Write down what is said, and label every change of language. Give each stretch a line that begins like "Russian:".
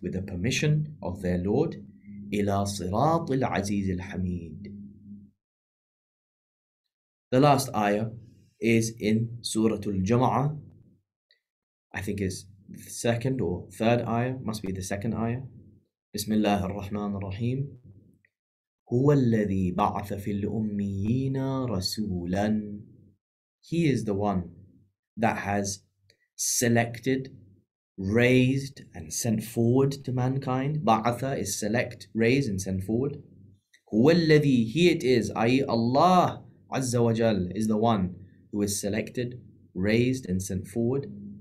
English: With the permission of their Lord,
Arabic: Ila Siratil Azizil Hamid.
English: The last ayah is in Surah Al-Jum'ah. I think it's the second or third ayah, must be the second ayah.
Arabic: بسم الله الرحمن الرحيم هو الذي بعث في الأميين رسولا.
English: He is the one that has selected, raised and sent forward to mankind. بعث is select, raise and send forward.
Arabic: هو الذي,
English: he it is, i.e. Allah عز وجل is the one who is selected, raised and sent forward.